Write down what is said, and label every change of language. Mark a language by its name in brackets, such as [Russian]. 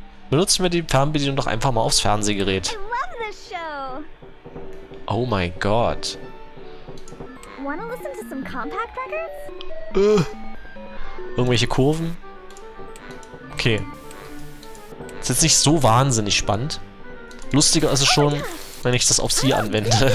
[German] Benutzen wir die Fernbedienung doch einfach mal aufs Fernsehgerät. [English] I love this show. [German] Oh mein Gott. [English] Wanna listen to some compact records? [German] Irgendwelche Kurven? Okay. Ist jetzt nicht so wahnsinnig spannend. Lustiger ist es schon, wenn ich das auf sie anwende.